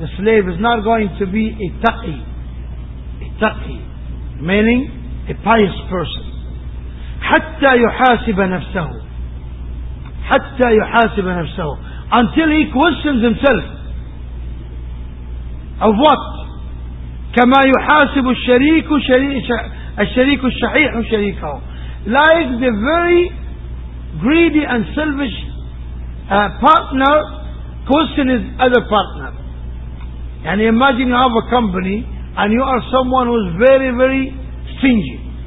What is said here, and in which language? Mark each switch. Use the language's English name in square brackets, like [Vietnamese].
[English] The slave is not going to be a taqi. A taqi, meaning a pious person. [Arabic] حتى يحاسب نفسه. حتى يحاسب نفسه. [English] Until he questions himself. Of what? [Arabic] كما يحاسب الشريك الشريك الشحيح شريكه. [English] Like the very greedy and selfish partner question his other partner. And imagine you have a company and you are someone who is very, very stingy.